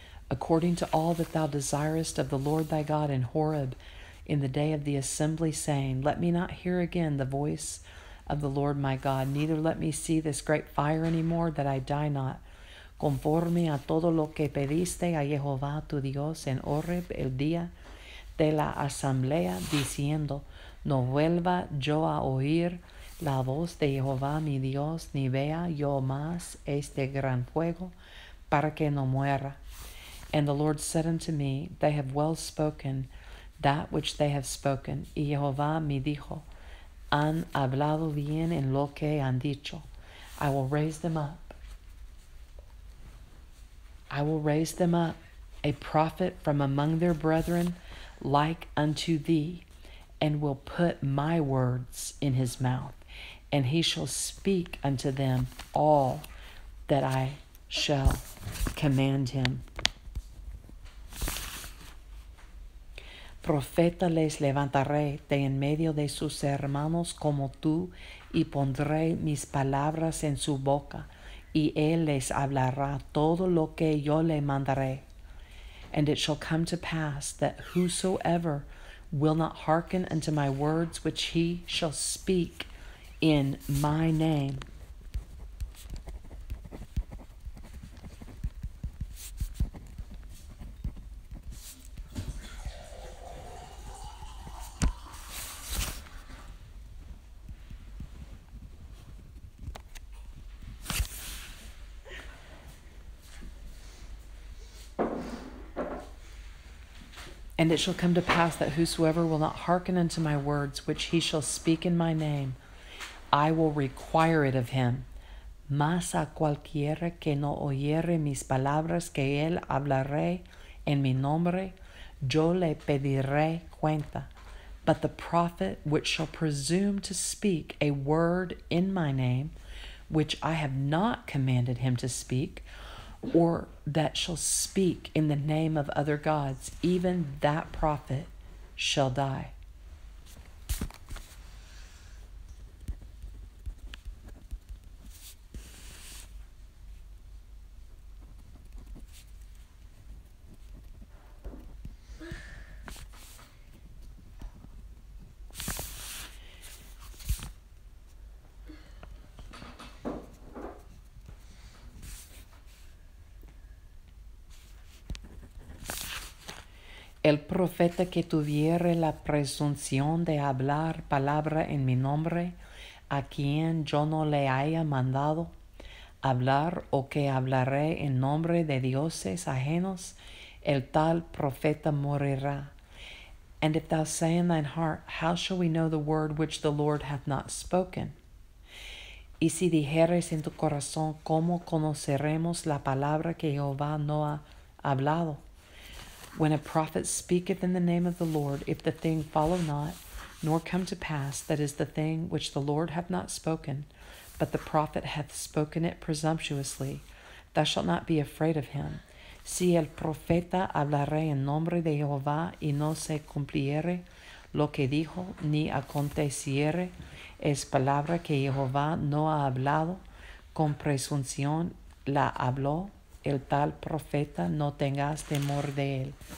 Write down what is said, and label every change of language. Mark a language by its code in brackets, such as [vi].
[en] According to all that thou desirest of the Lord thy God in Horeb, in the day of the assembly, saying, Let me not hear again the voice of the Lord my God, neither let me see this great fire any more, that I die not. [es] Conforme a todo lo que pediste a Jehová tu Dios en Horeb el día de la asamblea, diciendo, No vuelva yo a oír la voz de Jehová mi Dios, ni vea yo más este gran fuego, para que no muera. [en] And the Lord said unto me, They have well spoken that which they have spoken. [es] Y Jehová me dijo, Han hablado bien en lo que han dicho. [en] I will raise them up. I will raise them up, a prophet from among their brethren, like unto thee, and will put my words in his mouth, and he shall speak unto them all that I shall command him. [es] Profeta les levantaré de en medio de sus hermanos como tú, y pondré mis palabras en su boca, y él les hablará todo lo que yo le mandaré. [en] And it shall come to pass that whosoever will not hearken unto my words which he shall speak in my name, And it shall come to pass that whosoever will not hearken unto my words, which he shall speak in my name, I will require it of him. [es] Mas a cualquiera que no oyere mis palabras que él hablaré en mi nombre, yo le pediré cuenta. [en] But the prophet which shall presume to speak a word in my name, which I have not commanded him to speak, or that shall speak in the name of other gods, even that prophet shall die. [es] El profeta que tuviere la presunción de hablar palabra en mi nombre, a quien yo no le haya mandado hablar, o que hablaré en nombre de dioses ajenos, el tal profeta morirá. [en] And if thou say in thine heart, How shall we know the word which the Lord hath not spoken? [es] Y si dijeres en tu corazón, ¿cómo conoceremos la palabra que Jehová no ha hablado? [en] When a prophet speaketh in the name of the Lord, if the thing follow not, nor come to pass, that is the thing which the Lord hath not spoken, but the prophet hath spoken it presumptuously, thou shalt not be afraid of him. [es] Si el profeta hablare en nombre de Jehová, y no se cumpliere lo que dijo, ni aconteciere, es palabra que Jehová no ha hablado, con presunción la habló, el tal profeta no tengas temor de él.